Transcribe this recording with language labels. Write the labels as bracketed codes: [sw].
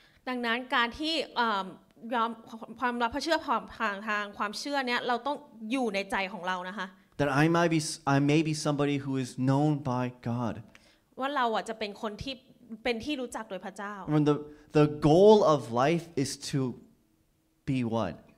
[th] ดังนั้นการที่ยอมความรับพระเชื่อทางความเชื่อเนี้ยเราต้องอยู่ในใจของเรานะคะ [en] That I may be somebody who is known by God [th] ว่าเราอ่ะจะเป็นคนที่เป็นที่รู้จักโดยพระเจ้า [en] When the goal of life is to be what